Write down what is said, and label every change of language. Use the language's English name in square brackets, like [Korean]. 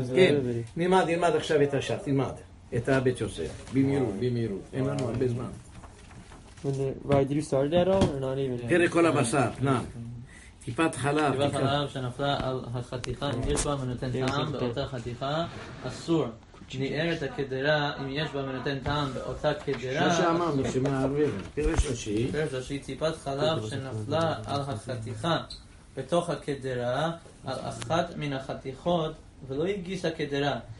[Hebrew] כן, נלמד, נלמד עכשיו את השח, נלמד. את הבית יוסף, במהירות, אין לנו הרבה זמן. [English] Did you start that all or not even? [Hebrew] תראה כל הבשר, נא. טיפת חלב. טיפת חלב שנפלה על החתיכה, אם יש בה מנותן טעם באותה חתיכה, אסור. ניער את הכדרה, אם יש בה מנותן טעם באותה כדרה, שם שאמרנו שמערבים, פרש ראשי. פרש ראשי, טיפת חלב שנפלה על החתיכה, בתוך הכדרה, על אחת מן החתיכות, ולא הגיס הכדרה.